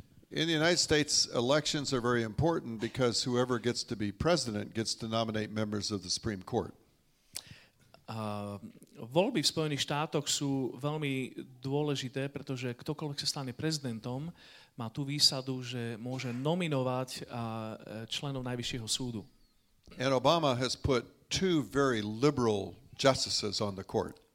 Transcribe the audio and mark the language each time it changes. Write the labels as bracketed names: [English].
[English] In the United States, elections are very important because whoever gets to be president gets to nominate members of the Supreme Court. [Slovak] Voľby v Spojených štátoch sú veľmi dôležité, pretože ktokoľvek sa stane prezidentom, má tú výsadu, že môže nominovať členov najvyššieho súdu. [English] And Obama has put two very liberal justices on the court.